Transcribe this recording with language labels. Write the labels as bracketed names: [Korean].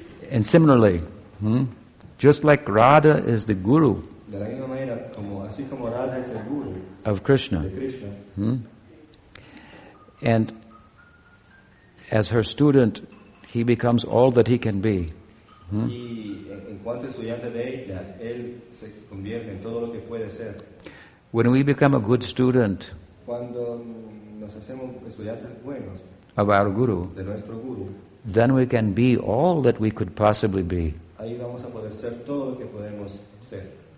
[English] And similarly, just like Radha is the guru, [Spanish] de la misma manera, así como Radha es el guru [English] of Krishna, [Spanish] de Krishna. [English] And as her student, he becomes all that he can be. [Spanish] Y en cuanto estudiante de ella, él se convierte en todo lo que puede ser. [English] When we become a good student, [Spanish] cuando nos hacemos estudiantes buenos [English] of our guru, [Spanish] de nuestro guru, [English] then we can be all that we could possibly be. [Spanish] Ahí vamos a poder ser todo lo que podemos ser.